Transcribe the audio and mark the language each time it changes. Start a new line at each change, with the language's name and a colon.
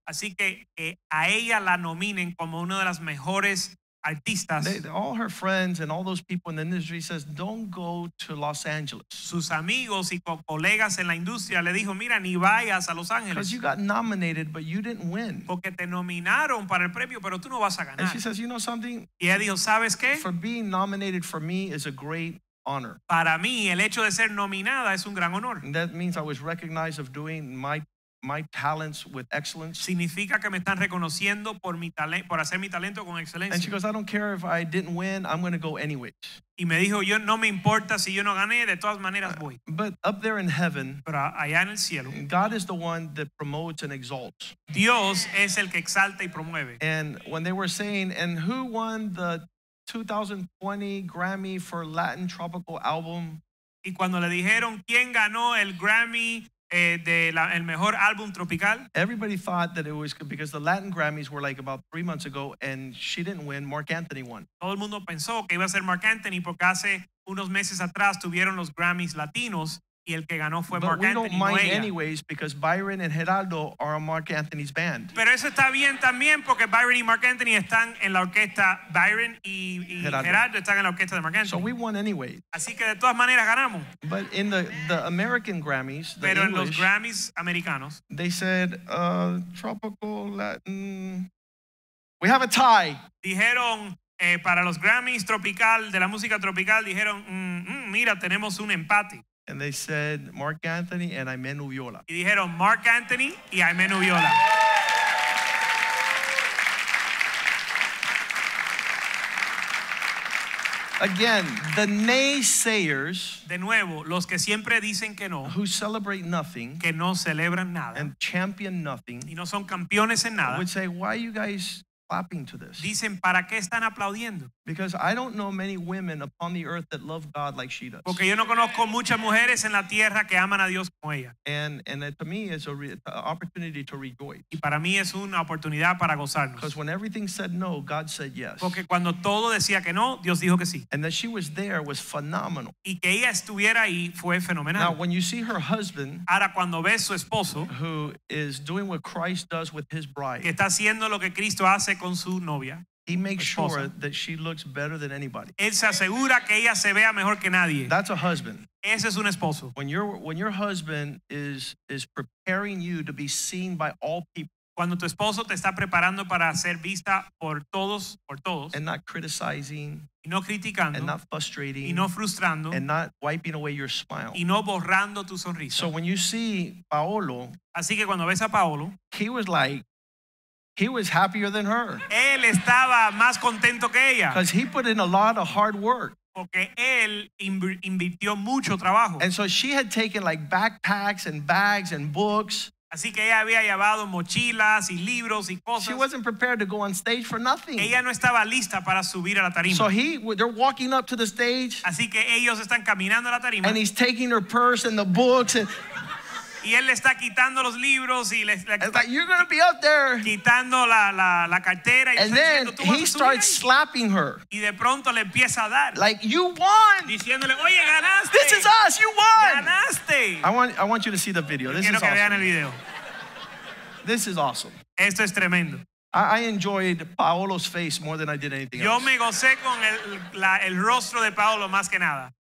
Spanish: Así que a ella la nominen como una de las mejores artistas.
English: All her friends and all those people in the industry says, "Don't go to Los Angeles."
Spanish: Sus amigos y colegas en la industria le dijo, "Mira, ni vayas a Los Ángeles."
English: Because you got nominated, but you didn't win.
Spanish: Porque te nominaron para el premio, pero tú no vas a ganar.
English: And she says, "You know something?"
Spanish: Y ella dijo, "¿Sabes qué?"
English: For being nominated for me is a great honor.
Spanish: Para mí, el hecho de ser nominada es un gran honor.
English: And that means I was recognized of doing my talents with excellence.
Spanish: Significa que me están reconociendo por mi talento, por hacer mi talento con excelencia.
English: And she goes, "I don't care if I didn't win, I'm going to go anyways."
Spanish: Y me dijo, "Yo no me importa si yo no gané, de todas maneras voy."
English: But up there in heaven,
Spanish: pero allá en el cielo,
English: God is the one that promotes and exalts.
Spanish: Dios es el que exalta y promueve.
English: And when they were saying, "And who won the 2020 Grammy for Latin Tropical Album?"
Spanish: Y cuando le dijeron, "¿Quién ganó el Grammy de la, el mejor álbum tropical?"
English: Everybody thought that it was because the Latin Grammys were like about 3 months ago and she didn't win, Mark Anthony won.
Spanish: Todo el mundo pensó que iba a ser Mark Anthony porque hace unos meses atrás tuvieron los Grammys latinos y el que ganó fue
English: but
Spanish: Mark Anthony.
English: But we don't mind anyways because Byron and Geraldo are on Mark Anthony's band.
Spanish: Pero eso está bien también porque Byron y Mark Anthony están en la orquesta, Byron y Geraldo están en la orquesta de Mark Anthony.
English: So we won anyways.
Spanish: Así que de todas maneras ganamos.
English: But in the American Grammys, the
Spanish: pero
English: English,
Spanish: en los Grammys americanos,
English: they said tropical Latin, we have a tie.
Spanish: Dijeron para los Grammys tropical, de la música tropical, dijeron, mira, tenemos un empate.
English: And they said Mark Anthony and Aimenu Viola.
Spanish: Y dijeron Mark Anthony y Aimenu Viola.
English: Again, the naysayers,
Spanish: de nuevo, los que siempre dicen que no,
English: who celebrate nothing,
Spanish: que no celebran nada,
English: and champion nothing,
Spanish: y no son campeones en nada,
English: would say, "Why are you guys clapping to this?"
Spanish: Dicen, ¿para qué están aplaudiendo?
English: Because I don't know many women upon the earth that love God like she does.
Spanish: Porque yo no conozco muchas mujeres en la tierra que aman a Dios como ella.
English: And to me is an opportunity to rejoice.
Spanish: Y para mí es una oportunidad para gozarnos.
English: Because when everything said no, God said yes.
Spanish: Porque cuando todo decía que no, Dios dijo que sí.
English: And that she was there was phenomenal.
Spanish: Y que ella estuviera ahí fue fenomenal.
English: Now when you see her husband,
Spanish: ahora cuando ves su esposo,
English: who is doing what Christ does with his bride,
Spanish: que está haciendo lo que Cristo hace con su novia,
English: he makes sure that she looks better than anybody.
Spanish: Él se asegura que ella se vea mejor que nadie.
English: That's a husband.
Spanish: Ese es un esposo.
English: When your husband is preparing you to be seen by all people.
Spanish: Cuando tu esposo te está preparando para ser vista por todos,
English: and not criticizing,
Spanish: y no criticando,
English: and not frustrating,
Spanish: y no frustrando,
English: and not wiping away your smile,
Spanish: y no borrando tu sonrisa.
English: So when you see Paolo,
Spanish: así que cuando ves a Paolo,
English: he was like, he was happier than her.
Spanish: Él estaba más contento que ella.
English: Because he put in a lot of hard work.
Spanish: Porque él invirtió mucho trabajo.
English: And so she had taken like backpacks and bags and books.
Spanish: Así que ella había llevado mochilas y libros y cosas.
English: She wasn't prepared to go on stage for nothing.
Spanish: Ella no estaba lista para subir a la tarima.
English: So they're walking up to the stage.
Spanish: Así que ellos están caminando a la tarima.
English: And he's taking her purse and the books and
Spanish: y él le está quitando los libros y le está
English: "You're gonna be up there."
Spanish: Quitando la cartera y
English: and then he starts slapping her.
Spanish: Y de pronto le empieza a dar.
English: Like, "You won."
Spanish: Diciéndole, "Oye, ganaste."
English: "This is us. You won."
Spanish: "Ganaste."
English: I want you to see the video. This
Spanish: quiero
English: is
Spanish: que
English: awesome.
Spanish: Vean el video.
English: This is awesome.
Spanish: Esto es tremendo.
English: I enjoyed Paolo's face more than I did anything
Spanish: yo
English: else.
Spanish: Yo me gocé con el rostro de Paolo más que nada.